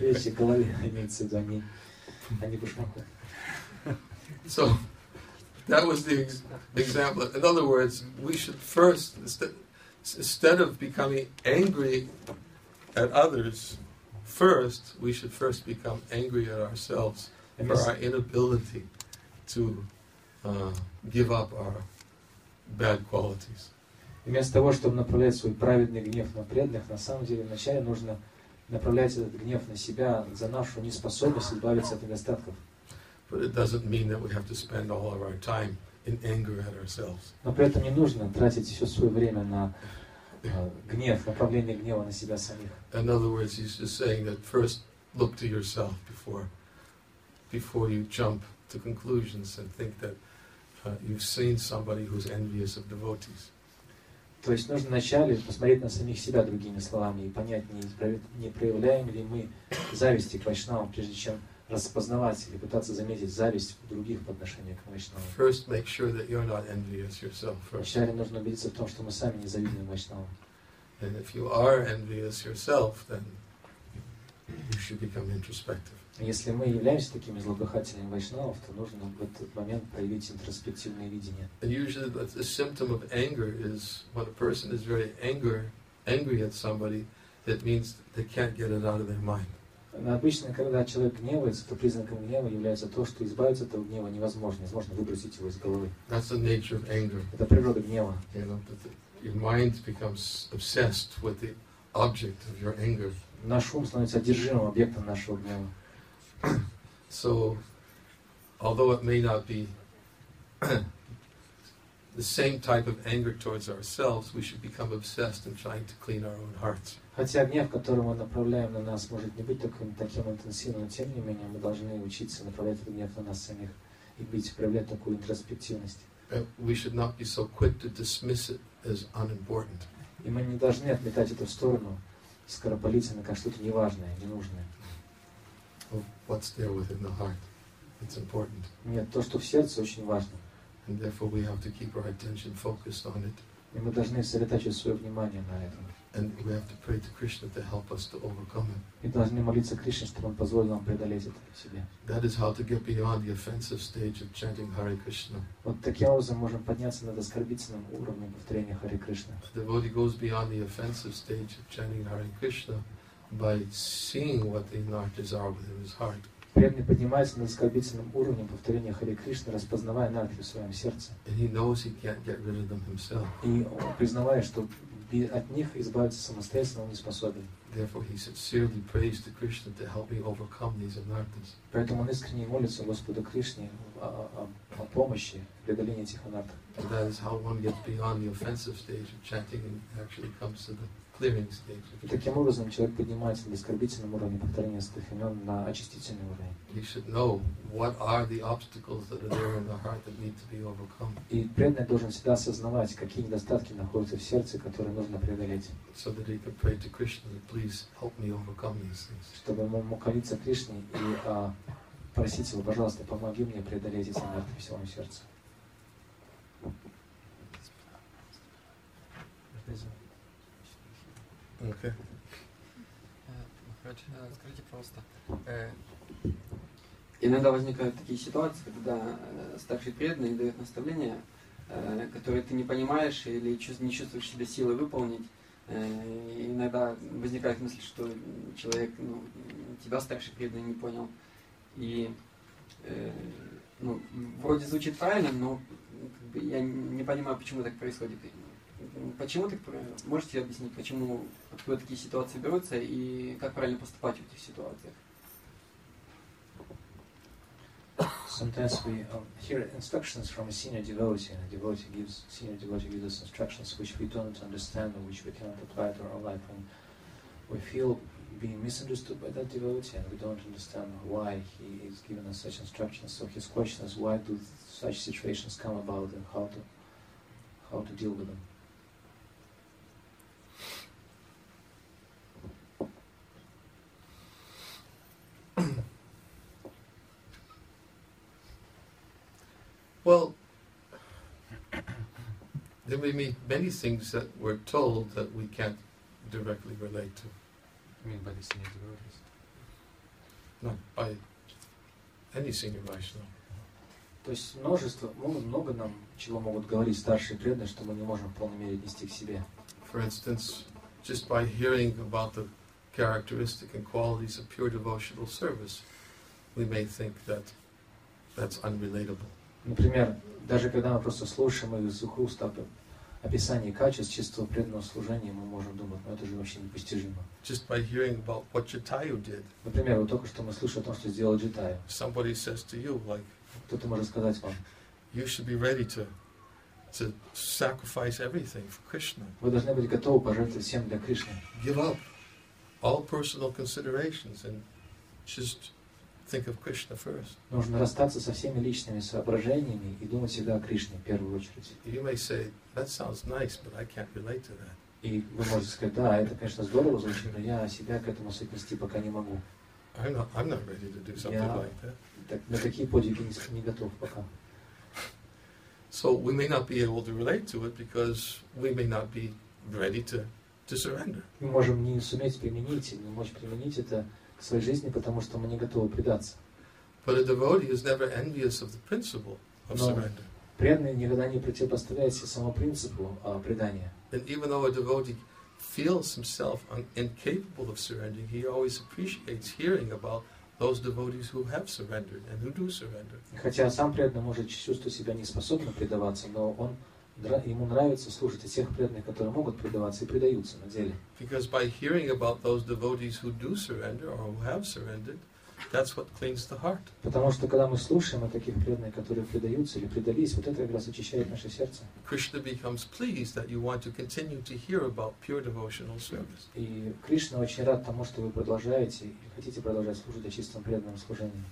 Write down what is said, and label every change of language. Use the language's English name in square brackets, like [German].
[Russian] Речи голове имеются в виду, а не башмаку. [English] So, that was the example. In other words, we should first, instead of becoming angry at others, first, we should first become angry at ourselves. For our inability to give up our bad qualities. [Russian] Вместо того, чтобы направлять свой праведный гнев на преданных, на самом деле вначале нужно направлять этот гнев на себя за нашу неспособность избавиться от недостатков. [English] But it doesn't mean that we have to spend all of our time in anger at ourselves. [Russian] Но при этом не нужно тратить все свое время на гнев, направление гнева на себя самих. [English] In other words, he's just saying that first look to yourself before you jump to conclusions and think that you've seen somebody who's envious of devotees. [Russian] То есть нужно вначале посмотреть на самих себя другими словами и понять, не проявляем ли мы зависти к вайшнавам, прежде чем распознавать или пытаться заметить зависть у других по отношению к вайшнавам. [English] First, make sure that you're not envious yourself. [Russian] Вначале нужно убедиться в том, что мы сами не завидуем вайшнавам. [English] And if you are envious yourself, then you should become introspective. [Russian] Если мы являемся такими злопыхателями вайшнавов, то нужно в этот момент проявить интроспективное видение. [English] Usually the symptom of anger is when a person is very angry at somebody, that means they can't get it out of their mind. [Russian] Но обычно, когда человек гневается, то признаком гнева является то, что избавиться от этого гнева невозможно. Невозможно выбросить его из головы. [English] That's the nature of anger. [Russian] Это природа гнева. [English] You know, your mind becomes obsessed with the object of your anger. [Russian] Наш ум становится одержимым объектом нашего гнева. [English] So, although it may not be the same type of anger towards ourselves, we should become obsessed in trying to clean our own hearts. [Russian] Хотя гнев, который мы направляем на нас, может не быть таким интенсивным, но тем не менее мы должны учиться направлять этот гнев на нас самих и проявлять такую интроспективность. [English] We should not be so quick to dismiss it as unimportant. [Russian] И мы не должны отметать это в сторону скоропалительно как что-то неважное, ненужное. [English] What's there within the heart? It's important. [Russian] Нет, то, что в сердце, очень важно. [English] And therefore we have to keep our attention focused on it. [Russian] И мы должны сосредоточить свое внимание на этом. [English] And we have to pray to Krishna to help us to overcome it. [Russian] И должны молиться Кришне, чтобы он позволил нам преодолеть это в себе. [English] That is how to get beyond the offensive stage of chanting Hare Krishna. [Russian] Вот таким образом можем подняться над оскорбительным уровнем повторения Hare Krishna. [English] The devotee goes beyond the offensive stage of chanting Hare Krishna by seeing what the innate desire within his heart. [Russian] Преданный поднимается над оскорбительным уровнем повторения Харе Кришна, распознавая нартхи в своем сердце. [English] And he knows he can't get rid of them himself. [Russian] И признавая, что от них избавиться самостоятельно он не способен. [English] Therefore he sincerely prays to Krishna to help me overcome these anarthas. [Russian] Поэтому он искренне молится Господу Кришне о помощи в преодолении этих анартх. [English] And that is how one gets beyond the offensive stage of chanting and actually comes to the clearing stage. [Russian] И таким образом человек поднимается на оскорбительном уровне повторения святых имен на очистительный уровень. [English] He should know what are the obstacles that are there in the heart that need to be overcome. [Russian] И преданный должен всегда осознавать, какие недостатки находятся в сердце, которые нужно преодолеть. [English] So that he can pray to Krishna that please help me overcome these things. [Russian] Чтобы он мог молиться Кришне и просить его, пожалуйста, помоги мне преодолеть эти нарты в своем сердце. Скажите, пожалуйста. Иногда возникают такие ситуации, когда старший преданный дает наставления, которые ты не понимаешь или не чувствуешь себя силой выполнить. Иногда возникает мысль, что человек, ну, тебя старший преданный не понял. И ну, вроде звучит правильно, но как бы, я не понимаю, почему так происходит. Почему так? Можете объяснить, почему, откуда такие ситуации берутся и как правильно поступать в этих ситуациях? [English] Sometimes we hear instructions from a senior devotee, and a senior devotee gives us instructions which we don't understand or which we cannot apply to our life, and we feel being misunderstood by that devotee, and we don't understand why he is giving us such instructions. So his question is, why do such situations come about, and how to deal with them? Well, there may be many things that we're told that we can't directly relate to. You mean by the senior devotees? No, by any senior Vaishnava. [Russian] То есть множество, много нам чего могут говорить старшие преданные, что мы не можем в полной мере отнести к себе. [English] For instance, just by hearing about the characteristic and qualities of pure devotional service, we may think that that's unrelatable. [Russian] Например, даже когда мы просто слушаем из уст описание качеств чистого преданного служения, мы можем думать, это же вообще непостижимо. [English] Just by hearing about what Jatayu did. [Russian] Например, вот только что мы слышали о том, что сделал Джатайя. [English] Somebody says to you, like, [Russian] кто-то может сказать вам, [English] you should be ready to sacrifice everything for Krishna. [Russian] Вы должны быть готовы пожертвовать всем для Кришны. [English] Give up all personal considerations and just think of Krishna first. [Russian] Нужно расстаться со всеми личными соображениями и думать всегда о Кришне в первую очередь. [English] You may say, that sounds nice, but I can't relate to that. [Russian] И вы можете сказать, да, это, конечно, здорово звучит, но я себя к этому соотнести пока не могу. [English] I'm not ready to do something like that. [Russian] Так, на такие подвиги не готов пока. [English] So we may not be able to relate to it because we may not be ready to surrender. [Russian] Мы можем не суметь применить, не можем применить это в своей жизни, потому что мы не готовы предаться. [English] But a devotee is never envious of the principle of surrender. [Russian] Преданный никогда не противопоставляется самому принципу предания. [English] And even though a devotee feels himself incapable of surrendering, he always appreciates hearing about those devotees who have surrendered and who do surrender. [Russian] Хотя сам преданный может чувствовать себя неспособным предаваться, но он ему нравится служить тех преданных, которые могут предаваться и предаются на деле. [English] Because by hearing about those devotees who do surrender or who have surrendered, that's what cleans the heart. [Russian] Потому что когда мы слушаем о таких преданных, которые предаются или предались, вот это как раз очищает наше сердце. [English] Krishna becomes pleased that you want to continue to hear about pure devotional service. [Russian] И Кришна очень рад тому, что вы продолжаете и хотите продолжать служить о чистом преданном служении.